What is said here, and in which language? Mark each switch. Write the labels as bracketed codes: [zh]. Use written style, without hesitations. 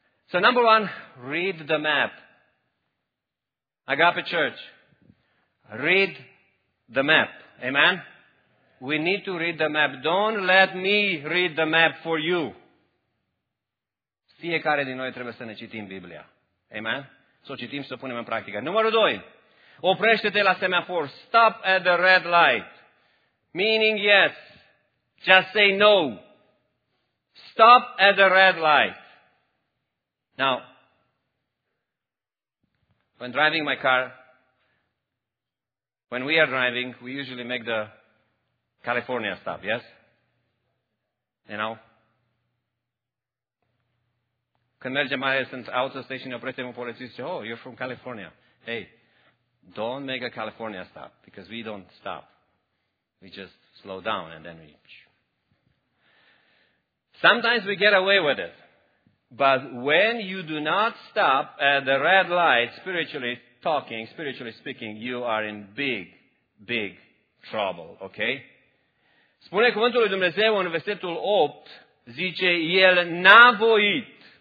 [en] So number one, read the map. Agape Church. Read the map. Amen? We need to read the map. Don't let me read the map for you. [ro] Fiecare din noi trebuie să ne citim Biblia. Amen? Să o citim și să o punem în practică. Numărul 2. Oprește-te la semafor. [en] Stop at the red light. Meaning yes. Just say no. Stop at the red light. Now, when driving my car, when we are driving, we usually make the California stop, yes? You know? [ro] Când mergem mai ales în auto station, oprește-mă un polițist și zice, [en] oh, you're from California. Hey, don't make a California stop, because we don't stop. We just slow down and then we... Sometimes we get away with it. But when you do not stop at the red light, spiritually talking, spiritually speaking, you are in big, big trouble, okay? [ro] Spune cuvântul lui Dumnezeu în versetul 8, zice, el n-a voit.